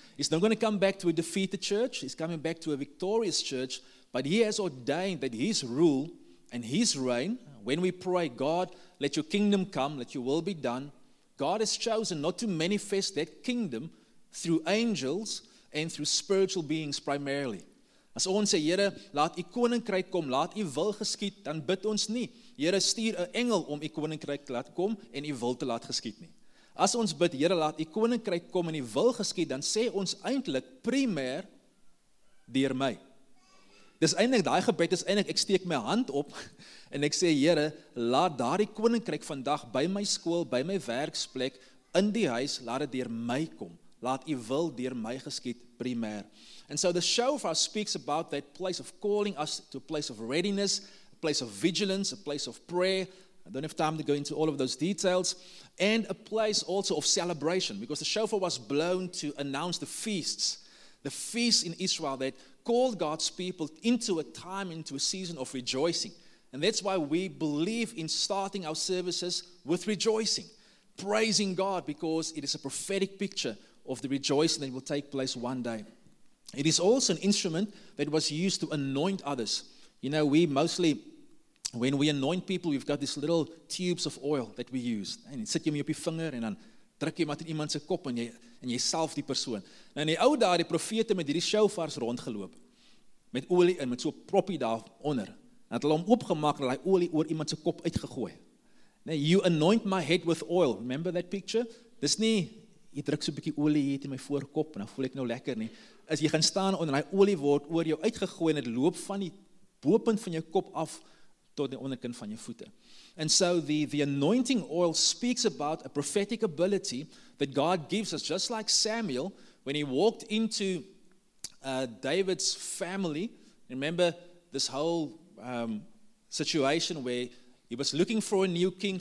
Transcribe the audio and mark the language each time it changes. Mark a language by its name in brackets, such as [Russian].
[English] He's not going to come back to a defeated church. He's coming back to a victorious church, but he has ordained that his rule and his reign, when we pray, God, let your kingdom come, let your will be done, God has chosen not to manifest that kingdom through angels and through spiritual beings primarily. [Afrikaans] As ons sê, Here, laat u koninkryk kom, laat u wil geskied, dan bid ons nie. Here, stuur 'n engel om u koninkryk te laat kom en u wil te laat geskied nie. As ons bid, Here, laat u koninkryk kom en u wil geskied, dan sê ons eintlik primêr deur my. Dis eintlik daai gebed is eintlik ek steek my hand op en ek sê Here, laat daardie koninkryk vandag by my skool, by my werksplek, in die huis, laat dit deur my kom. Laat u wil deur my geskied primêr. [English] And so the shofar speaks about that place of calling us to a place of readiness, a place of vigilance, a place of prayer. I don't have time to go into all of those details. And a place also of celebration, because the shofar was blown to announce the feasts. The feasts in Israel that called God's people into a time, into a season of rejoicing. And that's why we believe in starting our services with rejoicing, praising God, because it is a prophetic picture of the rejoicing that will take place one day. It is also an instrument that was used to anoint others. You know, we mostly, when we anoint people, we've got these little tubes of oil that we use. And you [Afrikaans] sit jy op jou vinger en dan druk jy maar in iemand se kop en jy salf die persoon. Nou in die ou dae, die profete met hierdie shofars rondgeloop met olie en met so 'n proppie daaronder. Dat hulle hom oopgemaak en hy olie oor iemand se kop uitgegooi. Nee, [English] you anoint my head with oil. Remember that picture? [Afrikaans] Dis nie jy druk so 'n bietjie olie hier in my voorkop en dan voel ek nou lekker nie. As jy gaan staan onder daai olie word oor jou uitgegooi en dit loop van die bopunt van jou kop af tot die onderkant van jou voete. [English] And so the anointing oil speaks about a prophetic ability that God gives us, just like Samuel when he walked into David's family. Remember this whole situation where he was looking for a new king.